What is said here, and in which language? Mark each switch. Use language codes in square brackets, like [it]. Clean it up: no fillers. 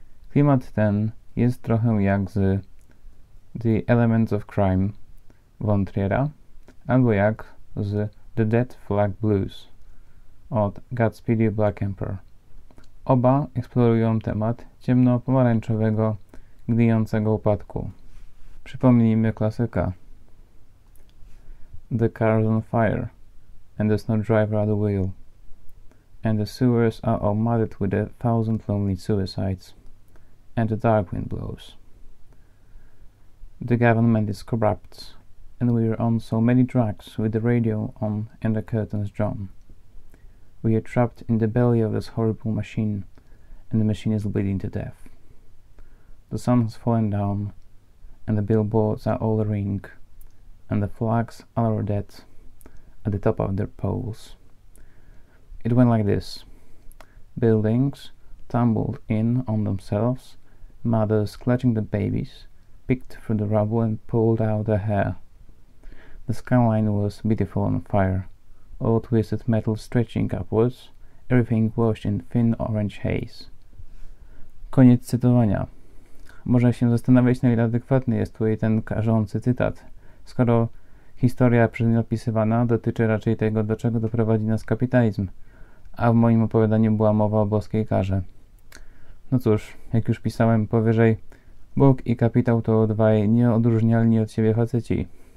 [pl] Klimat ten jest trochę jak z The Elements of Crime von Triera, albo jak z The Dead Flag Blues od Godspeed You Black Emperor. Oba eksplorują temat ciemno-pomarańczowego, gnijącego upadku. Przypomnijmy klasyka. [en] The car's on fire, and there's no driver at the wheel, and the sewers are all muddied with a thousand lonely suicides, and the dark wind blows. The government is corrupt, and we're on so many drugs with the radio on and the curtains drawn. We are trapped in the belly of this horrible machine, and the machine is bleeding to death. The sun has fallen down, and the billboards are all a-ring, and the flags are all dead at the top of their poles. It went like this. Buildings tumbled in on themselves, mothers clutching the babies, picked through the rubble and pulled out their hair. The skyline was beautiful on fire, all twisted metal stretching upwards, everything washed in thin orange haze. [pl] Koniec cytowania. Można się zastanawiać, na ile adekwatny jest tutaj ten karzący cytat, skoro historia przez nią opisywana dotyczy raczej tego, do czego doprowadzi nas kapitalizm, a w moim opowiadaniu była mowa o boskiej karze. No cóż, jak już pisałem powyżej, Bóg i kapitał to dwaj nieodróżnialni od siebie faceci.